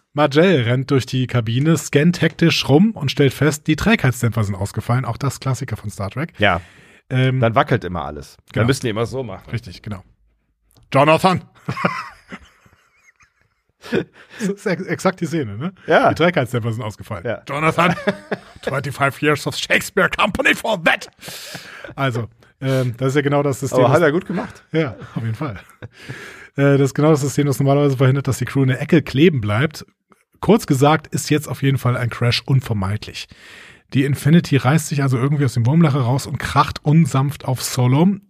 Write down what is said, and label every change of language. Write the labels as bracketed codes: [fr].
[de] Majel rennt durch die Kabine, scannt hektisch rum und stellt fest, die Trägheitsdämpfer sind ausgefallen, auch das Klassiker von Star Trek. Ja, dann wackelt immer alles. Genau. Dann müssen die immer so machen. Richtig, genau. Jonathan! Das ist exakt die Szene, ne? Ja. Die Trägheitsdämpfer sind ausgefallen. Ja. [en] Jonathan, 25 years of Shakespeare Company for that. [de] Also, das ist ja genau das System. Aber hat er gut gemacht. Ja, auf jeden Fall. Das ist genau das System, das normalerweise verhindert, dass die Crew in der Ecke kleben bleibt. Kurz gesagt, ist jetzt auf jeden Fall ein Crash unvermeidlich. Die Infinity reißt sich also irgendwie aus dem Wurmloch heraus und kracht unsanft auf Solom.